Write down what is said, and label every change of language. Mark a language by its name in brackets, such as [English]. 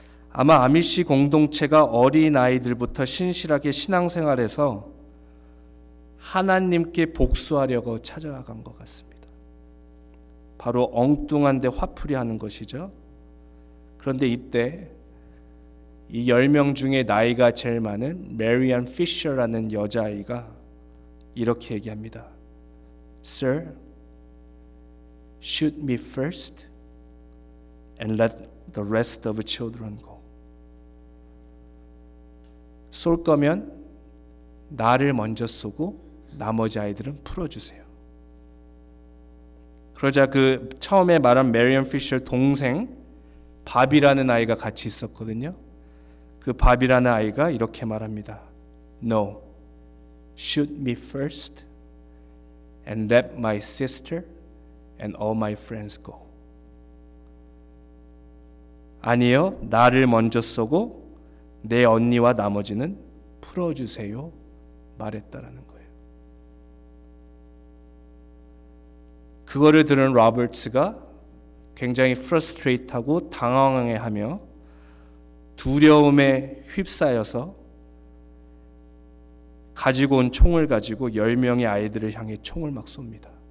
[Korean] 아마 아미시 공동체가 어린아이들부터 신실하게 신앙생활해서 하나님께 복수하려고 찾아간 것 같습니다. 바로 엉뚱한데 화풀이하는 것이죠. 그런데 이때 이 10명 중에 나이가 제일 많은 메리안 피셔라는 여자아이가 이렇게 얘기합니다. [English] Sir, shoot me first and let the rest of children go. [Korean] 쏠 거면 나를 먼저 쏘고 나머지 아이들은 풀어주세요. 그러자 그 처음에 말한 메리언 피셔 동생 밥이라는 아이가 같이 있었거든요. 그 밥이라는 아이가 이렇게 말합니다. [English] No, shoot me first and let my sister and all my friends go. [Korean] 아니요, 나를 먼저 쏘고 내 언니와 나머지는 풀어주세요 말했다라는 거예요. 그거를 들은 로버츠가 굉장히 프러스트레이트하고 당황해하며 두려움에 휩싸여서 가지고 온 총을 가지고 10명의 아이들을 향해 총을 막 쏩니다.